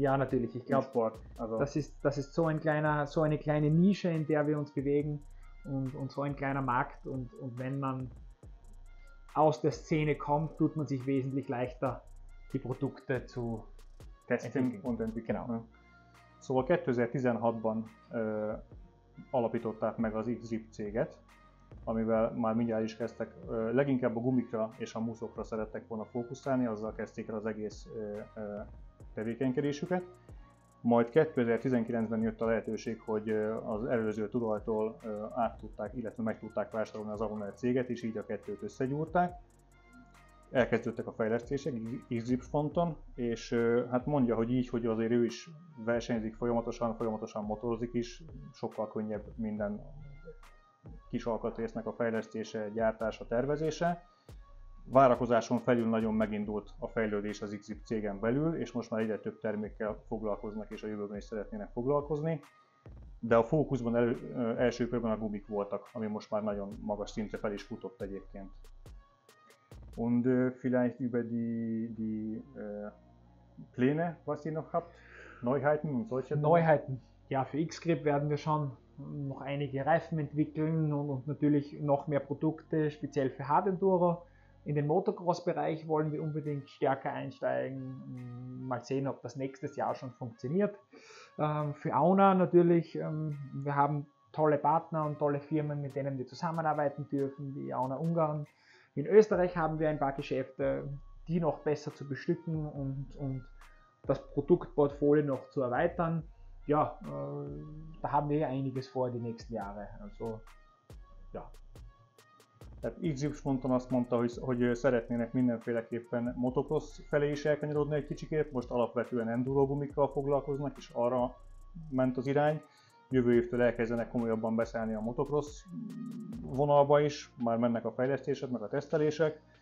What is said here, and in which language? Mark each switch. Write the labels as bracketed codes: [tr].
[de] Ja, natürlich. Ich glaube, also das ist so eine kleine Nische, in der wir uns bewegen und so ein kleiner Markt. Und wenn man aus der Szene kommt, tut man sich wesentlich leichter, die Produkte zu testen und entwickeln. Genau. [hu] Szóval 2016-ban alapították meg az XZIP céget, amivel már mindjárt is kezdtek, leginkább a gumikra és a muszokra szerettek volna fókuszálni, azzal kezdték el az egész tevékenykedésüket. Majd 2019-ben jött a lehetőség, hogy az előző tulajtól át tudták, illetve meg tudták vásárolni az Auna céget, és így a kettőt összegyúrták. Elkezdődtek a fejlesztések XZIP fronton, és hát mondja, hogy így, hogy azért ő is versenyzik folyamatosan motorozik is, sokkal könnyebb minden kis alkatrésznek a fejlesztése, gyártása, tervezése. Várakozáson felül nagyon megindult a fejlődés az XZIP cégen belül, és most már egyre több termékkel foglalkoznak, és a jövőben is szeretnének foglalkozni. De a fókuszban első körben a gumik voltak, ami most már nagyon magas szintre fel is futott egyébként. [de] Und vielleicht über die Pläne, was ihr noch habt, Neuheiten und solche Dinge? Neuheiten. Ja, für XGRIP werden wir schon noch einige Reifen entwickeln und natürlich noch mehr Produkte, speziell für Hard Enduro. In den Motocross-Bereich wollen wir unbedingt stärker einsteigen. Mal sehen, ob das nächstes Jahr schon funktioniert. Für Auna natürlich, wir haben tolle Partner und tolle Firmen, mit denen wir zusammenarbeiten dürfen, wie Auna Ungarn. In Österreich haben wir ein paar Geschäfte, die noch besser zu bestücken und das Produktportfolio noch zu erweitern. Ja, da haben wir einiges vor die nächsten Jahre. Also, ja. [hu] Tehát XZIP fronton azt mondta, hogy szeretnének mindenféleképpen motocross felé is elkanyarodni egy kicsikét, most alapvetően enduro gumikkal foglalkoznak, és arra ment az irány. Jövő évtől elkezdenek komolyabban beszállni a motocross vonalba is, már mennek a fejlesztések, meg a tesztelések.